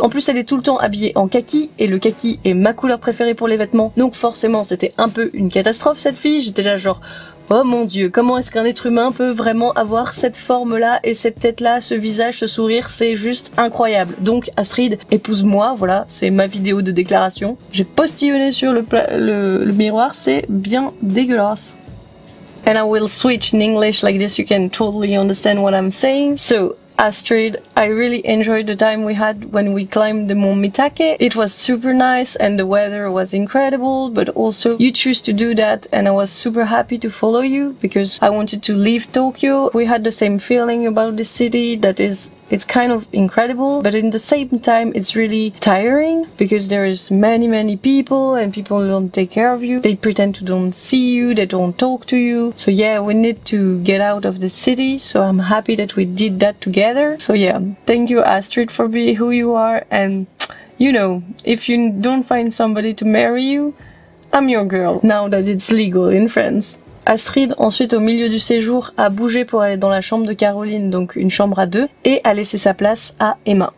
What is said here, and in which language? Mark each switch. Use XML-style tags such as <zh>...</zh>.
<fr>En plus elle est tout le temps habillée en kaki, et le kaki est ma couleur préférée pour les vêtements, donc forcément c'était un peu une catastrophe cette fille, j'étais là genre... Oh mon dieu, comment est-ce qu'un être humain peut vraiment avoir cette forme-là et cette tête-là, ce visage, ce sourire, c'est juste incroyable. Donc Astrid, épouse-moi, voilà, c'est ma vidéo de déclaration. J'ai postillonné sur le miroir, c'est bien dégueulasse.</fr> <en>And I will switch in English like this, you can totally understand what I'm saying. So... Astrid, I really enjoyed the time we had when we climbed the Mont Mitake. It was super nice and the weather was incredible, but also you choose to do that and I was super happy to follow you because I wanted to leave Tokyo. We had the same feeling about the city that is... It's kind of incredible, but in the same time it's really tiring because there is many many people and people don't take care of you. They pretend to don't see you, they don't talk to you. So yeah, we need to get out of the city, so I'm happy that we did that together. So yeah, thank you Astrid for being who you are and you know, if you don't find somebody to marry you, I'm your girl now that it's legal in France.</en> <fr>Astrid, ensuite au milieu du séjour, a bougé pour aller dans la chambre de Caroline, donc une chambre à deux, et a laissé sa place à Emma.</fr>